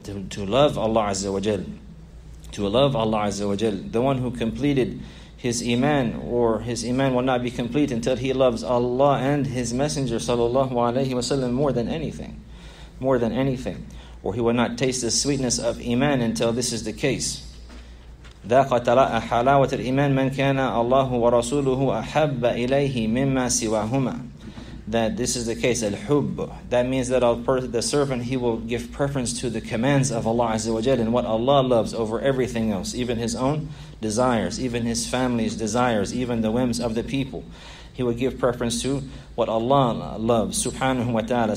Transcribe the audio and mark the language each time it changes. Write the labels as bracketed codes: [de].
[en] To love Allah Azza wa Jal. To love Allah Azza wa Jal. The one who completed his iman will not be complete until he loves Allah and his Messenger sallallahu alayhi wa sallam more than anything. More than anything. Or he will not taste the sweetness of iman until this is the case. [ar] ذاق حلاوة الإيمان من كان الله ورسوله أحب إليه مما سواهما. [en] That this is the case. الحب. That means that the servant, he will give preference to the commands of Allah Azza wa Jalla and what Allah loves over everything else, even his own desires, even his family's desires, even the whims of the people. He will give preference to what Allah loves, subhanahu wa ta'ala.